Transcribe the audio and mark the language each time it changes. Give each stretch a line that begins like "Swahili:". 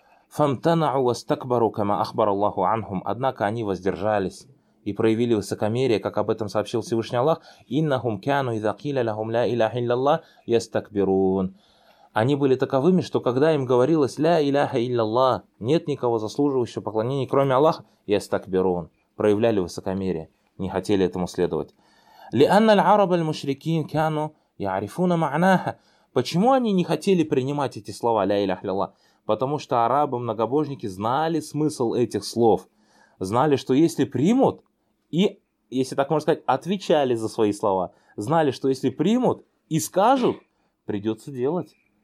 Arabic: Фамтанау вастакбару кама ахбар Аллаху анхум.
Russian: Однако они воздержались и проявили высокомерие, как об этом сообщил Всевышний Аллах.
Arabic: Иннахум кяну иза киля лахум ля иляха илляллах ястакбирун.
Russian: Они были таковыми, что когда им говорилось
Arabic: ля иляха илляллах,
Russian: нет никого заслуживающего поклонения, кроме Аллаха, ястакбирун. Проявляли высокомерие, не хотели этому следовать.
Arabic: لأن العرب المشركين كانوا يعرفون معناها.
Russian: Почему они не хотели принимать эти слова ля иляха илляллах? Потому что арабы многобожники знали смысл этих слов, знали, что если примут и, если так можно сказать, отвечали за свои слова, знали, что если примут и скажут, придется делать.